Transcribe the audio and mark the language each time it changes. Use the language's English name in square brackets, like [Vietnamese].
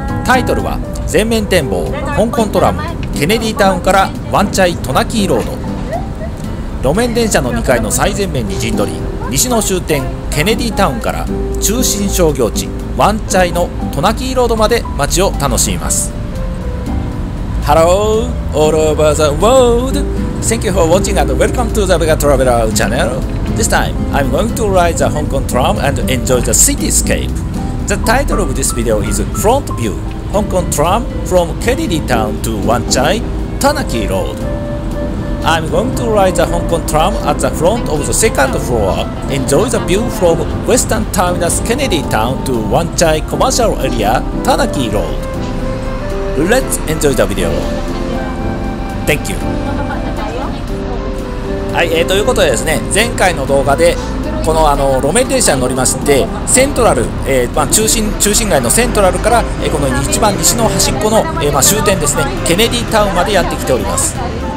[Japanese] タイトルは全面展望香港トラム、ケネディタウンからワンチャイトナキーロード。路面電車の2階の最前面に陣取り、西の終点ケネディタウンから中心商業地ワンチャイのトナキーロードまで街を楽しみます。 [English] ハローオールオーバーザワールド。 Thank you for watching and welcome to the Vega Traveler channel. This time, I'm going to ride the Hong Kong tram and enjoy the cityscape. The title of this video is Front View, Hong Kong Tram from Kennedy Town to Wan Chai, Tanaki Road. I'm going to ride the Hong Kong tram at the front of the second floor, enjoy the view from Western Terminus Kennedy Town to Wan Chai Commercial Area, Tanaki Road. Let's enjoy the video. Thank you. [Japanese] はい、ということでですね、前回の動画でこの路面電車に乗りまして、セントラル、中心街のセントラルから、この一番西の端っこの、終点ですね、ケネディタウンまでやってきております。